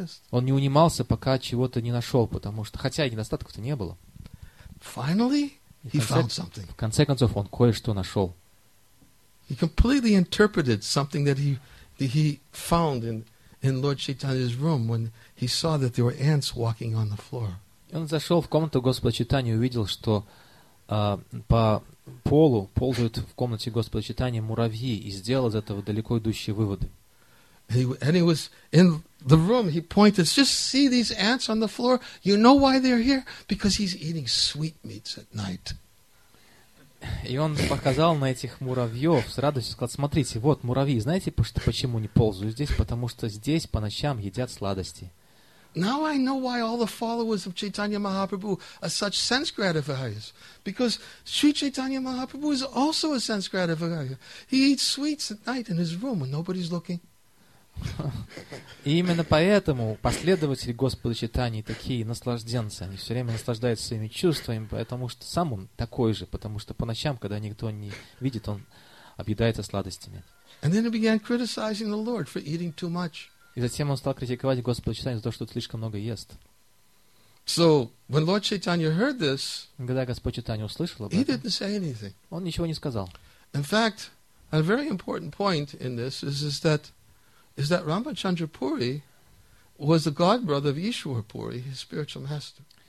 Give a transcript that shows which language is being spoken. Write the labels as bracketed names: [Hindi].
[Russian] Он не унимался, пока чего-то не нашел, потому что, хотя и недостатков-то не было. [English] Finally, he found something. [Russian] В конце концов, он кое-что нашел. [English] He completely interpreted something that he found in Lord Chaitanya's room when he saw that there were ants walking on the floor. [Russian] Он зашел в комнату Господа Чайтаньи и увидел, что по полу ползают в комнате Господа Чайтаньи муравьи и сделал из этого далеко идущие выводы. [English] And he was in the room. He pointed, just see these ants on the floor. You know why they're here? Because he's eating sweetmeats at night. [Russian] И он показал на этих муравьев с радостью, сказал, смотрите, вот муравьи, знаете, почему не ползают здесь? Потому что здесь по ночам едят сладости. [English] Now I know why all the followers of Chaitanya Mahaprabhu are such sense gratifiers. Because Sri Chaitanya Mahaprabhu is also a sense gratifier. He eats sweets at night in his room when nobody's looking. [Russian] И именно поэтому последователи Господа Чайтаньи такие наслажденцы. Они все время наслаждаются своими чувствами, потому что сам он такой же. Потому что по ночам, когда никто не видит, он объедается сладостями. [English] And then he began criticizing the Lord for eating too much. [Russian] И затем он стал критиковать Господа Чайтаньи за то, что он слишком много ест. [English] So, when Lord Chaitanya heard this, [Russian] когда Господь Чайтаньи услышал об этом, [English] he didn't say anything. [Russian] Он ничего не сказал. [English] In fact, a very important point in this is that Рамачандра Пури was the godbrother of Ишвар Пури, his spiritual master.